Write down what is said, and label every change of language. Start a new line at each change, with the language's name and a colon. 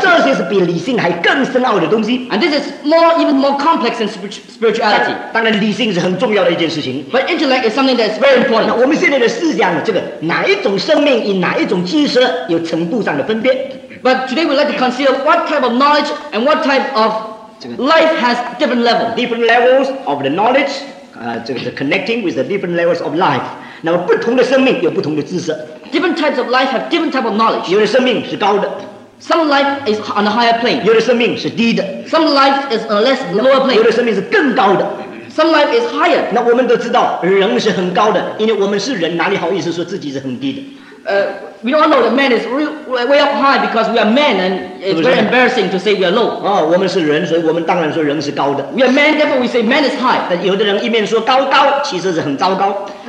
Chinese: 这些是比理性还更深奥的东西。
English: And this is more, even more complex than spirituality.
Chinese: 当然理性是很重要的一件事情。
English: But intellect is something that is very important.
Chinese: 那我们现在的思想，这个哪一种生命与哪一种知识有程度上的分别。
English: But today we'd like to consider what type of knowledge and what type of life has different level. Different levels of the knowledge, connecting with the different levels of life.
Chinese: 那么不同的生命有不同的知识。
English: Different types of life have different type of knowledge.
Chinese: 有的生命是高的。
English: Some life is on a higher plane.
Chinese: 有的生命是低的。
English: Some life is on a less lower plane.
Chinese: 有的生命是更高的。
English: Some life is higher.
Chinese: 那我们都知道人是很高的，因为我们是人，哪里好意思说自己是很低的。
English: We all know that man is real, way up high because we are men, and it's very embarrassing to say we are low.
Chinese: 哦，我们是人，所以我们当然说人是高的。
English: We are men, therefore we say man is high.
Chinese: 但有的人一面说高高，其实是很糟糕。